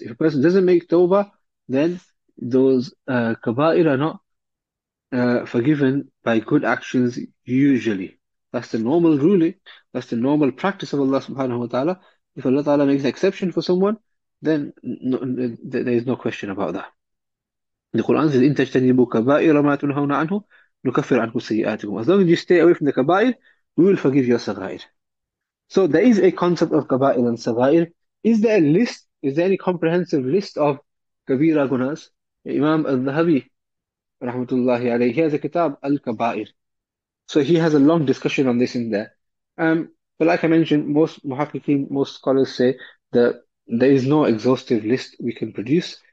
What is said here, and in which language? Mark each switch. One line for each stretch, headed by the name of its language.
English: If a person doesn't make tawbah, then those kaba'ir are not forgiven by good actions usually. That's the normal ruling. That's the normal practice of Allah subhanahu wa ta'ala. If Allah ta'ala makes exception for someone, then there is no question about that. The Quran says,
Arabic: إِن تَجْتَنِبُوا كَبَائِرَ مَا تُنْهَوْنَ عَنْهُ نُكَفِّرْ عَنْكُمْ سَيِّئَاتِكُمْ.
English: As long as you stay away from the kaba'ir, we will forgive your saghair. So there is a concept of kaba'ir and saghair. Is there a list Is there any comprehensive list of Kabira gunas? Imam al-Dhahabi, rahmatullahi alayhi, he has a kitab al-Kaba'ir. So he has a long discussion on this in there. But like I mentioned, most muhakkikin, most scholars say that there is no exhaustive list we can produce.